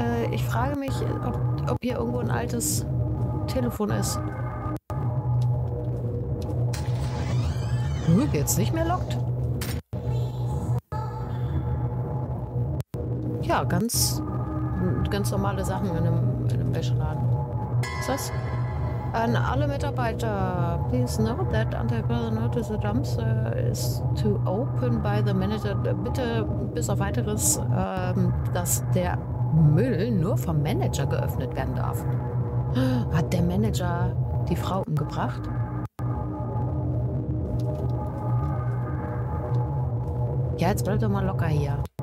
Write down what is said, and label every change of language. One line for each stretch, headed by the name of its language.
German: Ich frage mich, ob hier irgendwo ein altes Telefon ist. Wird jetzt nicht mehr lockt? Ja, ganz normale Sachen in einem Wäscheladen. Was ist das? An alle Mitarbeiter,
English: please note that until further notice the dumpster is to open by the manager.
German: Bitte bis auf weiteres, dass der Müll nur vom Manager geöffnet werden darf. Hat der Manager die Frau umgebracht? Ja, jetzt bleibt doch mal locker hier.